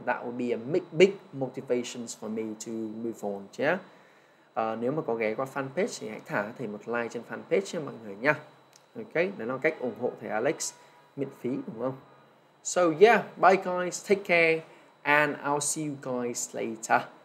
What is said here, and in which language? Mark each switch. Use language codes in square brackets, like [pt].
[en] That would be a big motivation for me to move on, yeah. [vi] Nếu mà có ghé qua fanpage thì hãy thả thầy một like trên fanpage cho mọi người nha. Ok, đó là cách ủng hộ thầy Alex miễn phí đúng không? [en] So yeah, bye guys, take care and I'll see you guys later.